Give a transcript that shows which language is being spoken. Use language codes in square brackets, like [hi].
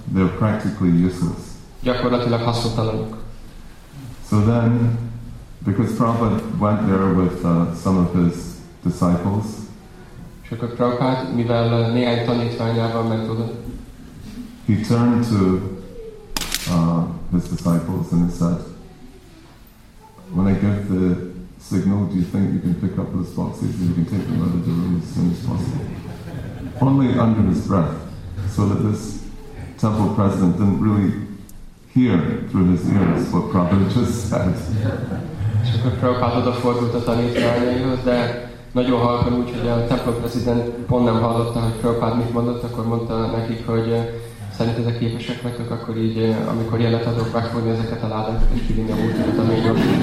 [en] They're practically useless. [hu] Gyakorlatilag hasznotalanok. [en] So then, because Prabhupada went there with some of his disciples, [hu] akkor Prabhupada, mivel néhány tanítványával ment oda, [en] he turned to his disciples and he said, when I give the signal, do you think you can pick up those boxes and you can take them out of the room as soon as possible? Only under his breath, so that this temple president didn't really hear through his ears what Prabhupada just said. [hu] És akkor Prabhupada odafordult a tanítványaihoz, de nagyon halkan, úgyhogy a templom prezident pont nem hallotta, hogy Prabhupada mit mondott, akkor mondta nekik, hogy szerinted a képesek vagytok, akkor így, amikor jelet adok, megfogni ezeket a ládákat, és kivinni a múltikat, amíg jobb.